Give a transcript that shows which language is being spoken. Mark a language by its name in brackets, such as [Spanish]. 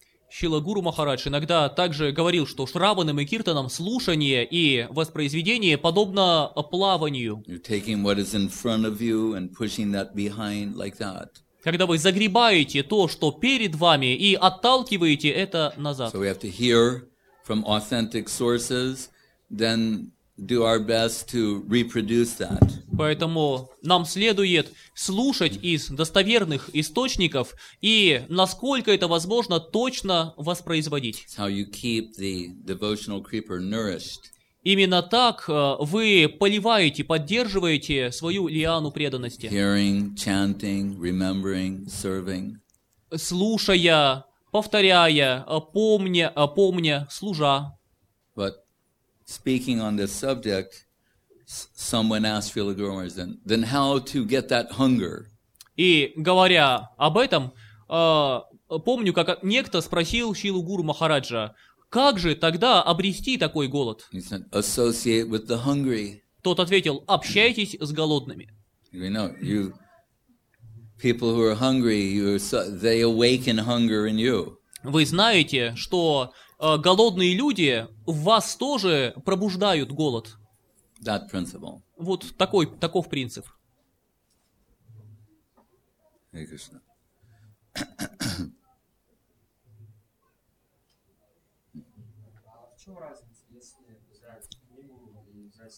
[Russian] Шрила Гуру Махарадж иногда также говорил, что Шраванам и Киртанам слушание и воспроизведение подобно плаванию. [English] You're taking what is in front of you and pushing that behind like that. [Russian] Когда вы загребаете то, что перед вами, и отталкиваете это назад. [English] So we have to hear from authentic sources, then do our best to reproduce that. [Russian] Поэтому нам следует слушать из достоверных источников и насколько это возможно точно воспроизводить. [English] It's how you keep the devotional creeper nourished. [Russian] Именно так вы поливаете, поддерживаете свою лиану преданности. [English] Hearing, chanting, remembering, serving. [Russian] Слушая, повторяя, помня, служа. [English] But speaking on this subject, someone asked Srila Guru Maharaj, then how to get that hunger? [Russian] И говоря об этом, помню, как некто спросил Шрилу Гуру Махараджа, как же тогда обрести такой голод? [English] He said, associate with the hungry. [Russian] Тот ответил, общайтесь с голодными. [English] You know, you people who are hungry, they awaken hunger in you. [Russian] Вы знаете, что голодные люди в вас тоже пробуждают голод. [English] That principle. [Russian] Вот такой, таков принцип. [English] Hare Krishna. [Russian] В чем разница, если взять минимум и